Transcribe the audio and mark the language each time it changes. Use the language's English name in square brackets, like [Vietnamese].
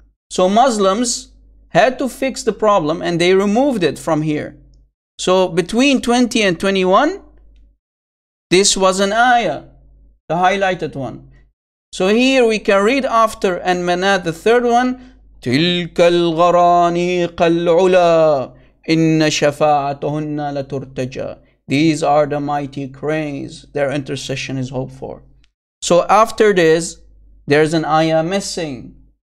[English] So Muslims had to fix the problem, and they removed it from here. So between 20 and 21, this was an ayah. The highlighted one. So here we can read after and manat the third one. [Arabic] تلك الغرانيق العلا إن شفاعتهن لترتجى. [English] These are the mighty cranes. Their intercession is hoped for. So after this, there's an ayah missing.